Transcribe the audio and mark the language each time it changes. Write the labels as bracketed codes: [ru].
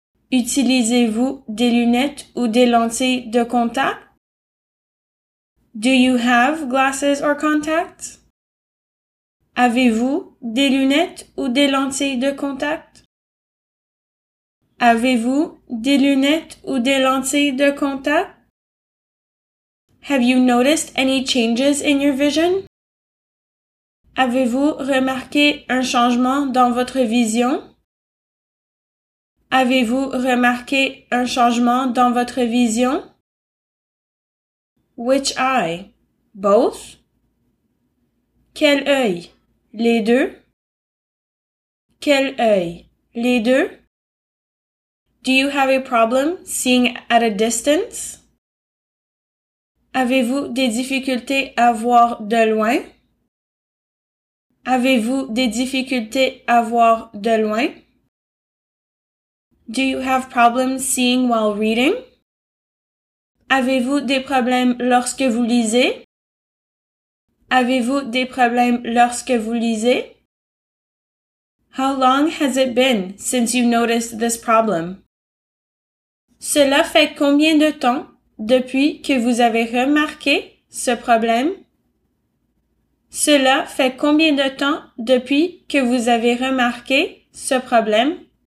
[fr] Utilisez-vous des lunettes ou des lentilles de contact? [en] Do you have glasses or contacts? [fr] Avez-vous des lunettes ou des lentilles de contact? Avez-vous des lunettes ou des lentilles de contact? [en] Have you noticed any changes in your vision? [fr] Avez-vous remarqué un changement dans votre vision? Avez-vous remarqué un changement dans votre vision? [en] Which eye? Both? [fr] Quel œil? Les deux? Quel œil? Les deux? [en] Do you have a problem seeing at a distance? [fr] Avez-vous des difficultés à voir de loin? Avez-vous des difficultés à voir de loin? [en] Do you have problems seeing while reading? [fr] Avez-vous des problèmes lorsque vous lisez? Avez-vous des problèmes lorsque vous lisez? [en] How long has it been since you noticed this problem? [fr] Cela fait combien de temps depuis que vous avez remarqué ce problème? Cela fait combien de temps depuis que vous avez remarqué ce problème?